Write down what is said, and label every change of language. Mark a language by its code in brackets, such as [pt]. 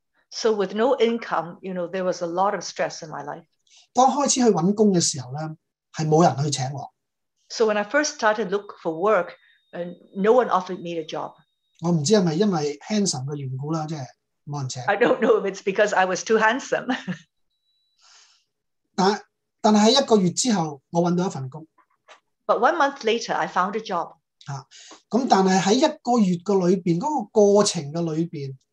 [en] So with no income, you know, there was a lot of stress in my life. [yue] 当开始去揾工嘅时候咧，系冇人去请我。 [en] So when I first started to look for work, and no one offered me a job. [yue] 我唔知系咪因为 handsome 嘅缘故啦，即系冇人请。 [en] I don't know if it's because I was too handsome. [yue] 但系一个月之后，我揾到一份工。 [en] But 1 month later, I found a job. [yue] 啊，咁但系喺一个月嘅里边，嗰、那个过程嘅里边。